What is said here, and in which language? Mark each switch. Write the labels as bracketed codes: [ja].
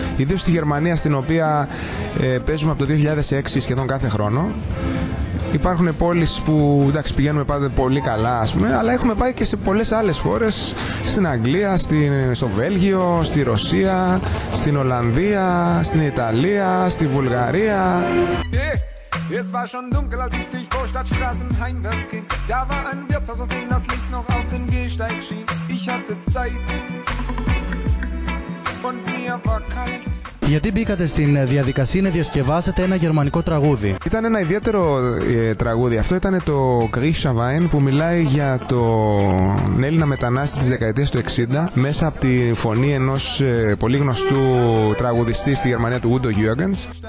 [el] Ιδίως στη Γερμανία, στην οποία παίζουμε από το 2006 σχεδόν κάθε χρόνο. Υπάρχουν πόλεις που εντάξει, πηγαίνουμε πάντα πολύ καλά, ας πούμε, αλλά έχουμε πάει και σε πολλές άλλες χώρες, στην Αγγλία, στο Βέλγιο, στη Ρωσία, στην Ολλανδία, στην Ιταλία, στη Βουλγαρία. [de] Es war schon dunkel, als ich durch Vorstadtstraßen heimwärts ging. Da war ein Wirtshaus, aus dem das Licht noch auf den Gehsteig schien. Ich hatte Zeit und mir war kalt. [el] Γιατί μπήκατε στην διαδικασία να διασκευάσετε ένα γερμανικό τραγούδι? Ήταν ένα ιδιαίτερο τραγούδι. Αυτό ήταν το Grisha Wein που μιλάει για τον Έλληνα μετανάστη της δεκαετίας του 60 μέσα από τη φωνή ενός πολύ γνωστού τραγουδιστή στη Γερμανία, του Udo Jürgens.